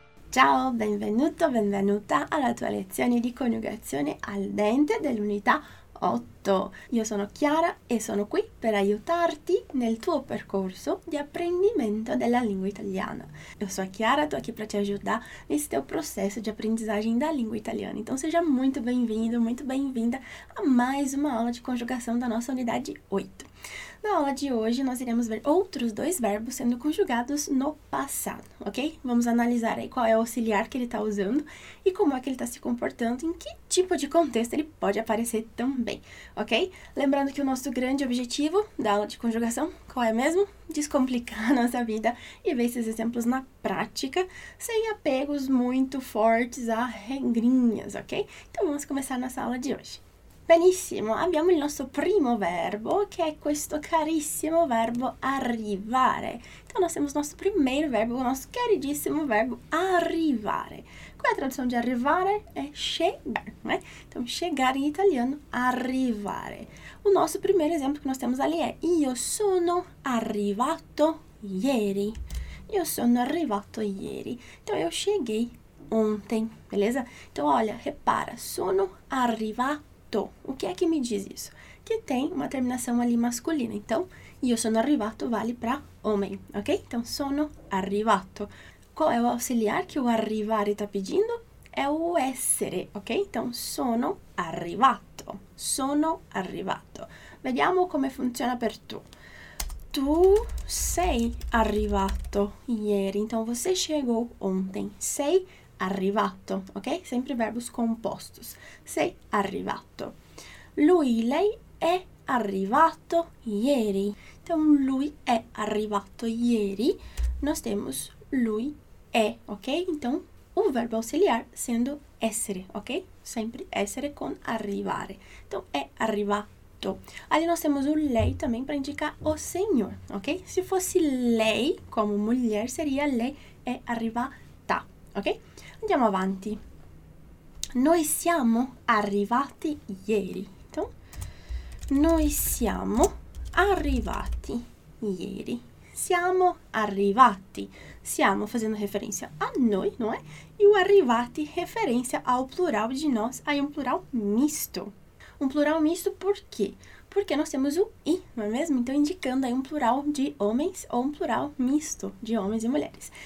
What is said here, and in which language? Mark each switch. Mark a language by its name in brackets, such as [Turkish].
[Italian] Ciao, benvenuto, benvenuta alla tua lezione di coniugazione al dente dell'unità 8. Io sono Chiara e sono qui per aiutarti nel tuo percorso di apprendimento della lingua italiana. [Portuguese] Eu sou a Chiara, estou aqui para te ajudar nesse teu processo de aprendizagem da língua italiana. Então seja muito bem-vindo, muito bem-vinda a mais uma aula de conjugação da nossa unidade 8. Na aula de hoje, nós iremos ver outros dois verbos sendo conjugados no passado, ok? Vamos analisar aí qual é o auxiliar que ele está usando e como é que ele está se comportando, em que tipo de contexto ele pode aparecer também, ok? Lembrando que o nosso grande objetivo da aula de conjugação, qual é mesmo? Descomplicar a nossa vida e ver esses exemplos na prática, sem apegos muito fortes a regrinhas, ok? Então, vamos começar nossa aula de hoje. [Italian] Benissimo, abbiamo il nostro primo verbo, che è questo carissimo verbo arrivare. [Portuguese] Então, nós temos nosso primeiro verbo, o nosso queridíssimo verbo arrivare. Qual é a tradução de arrivare? É chegar, né? Então, chegar em italiano, arrivare. O nosso primeiro exemplo que nós temos ali é [Italian] Io sono arrivato ieri. Io sono arrivato ieri. [Portuguese] Então, eu cheguei ontem, beleza? Então, olha, repara, [Italian] sono arrivato. [Portuguese] O que é que me diz isso? Que tem uma terminação ali masculina. Então, [Italian] io sono arrivato [Portuguese] vale para homem, ok? Então, [Italian] sono arrivato. [Portuguese] Qual é o auxiliar que o arrivare está pedindo? É o essere, ok? Então, [Italian] sono arrivato. Sono arrivato. Vediamo come funziona per tu. Tu sei arrivato ieri. [Portuguese] Então, você chegou ontem. [Italian] Sei arrivato, [Portuguese] ok? Sempre verbos compostos. [Italian] Sei arrivato. Lui, lei è arrivato ieri. [Portuguese] Então, [Italian] lui è arrivato ieri. [Portuguese] Nós temos [Italian] lui è, [Portuguese] ok? Então, o verbo auxiliar sendo essere, ok? Sempre essere com arrivare. Então, [Italian] è arrivato. [Portuguese] Ali nós temos o lei também para indicar o senhor, ok? Se fosse lei, como mulher, seria [Italian] lei è arrivata, [Portuguese] ok? [Italian] Andiamo avanti. Noi siamo arrivati ieri. Noi siamo arrivati ieri. Siamo arrivati. [Portuguese] Siamo fazendo referência a noi, não é? E o arrivati, referência ao plural de nós, aí um plural misto. Um plural misto por quê? Porque nós temos o i, não é mesmo? Então, indicando aí um plural de homens ou um plural misto de homens e mulheres.